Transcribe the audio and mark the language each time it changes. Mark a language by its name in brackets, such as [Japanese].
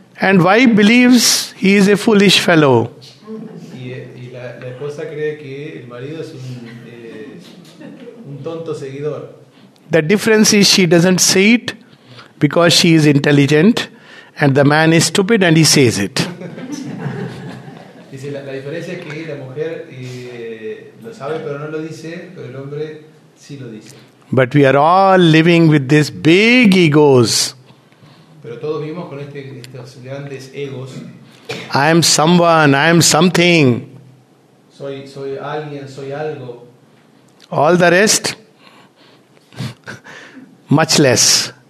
[English] And wife believes he is a foolish fellow. [Spanish] Y la esposa cree que el marido es un tonto seguidor. [English] The difference is she doesn't say it because she is intelligent and the man is stupid and he says it. [Spanish] Dice, la diferencia es que la mujer lo sabe pero no lo dice, pero el hombre sí lo dice. [English] But we are all living with these big egos. [Spanish] Pero todos vivimos con estos grandes egos. [English] I am someone, I am something. [Spanish] Soy alguien, soy algo. [English] All the rest, much less.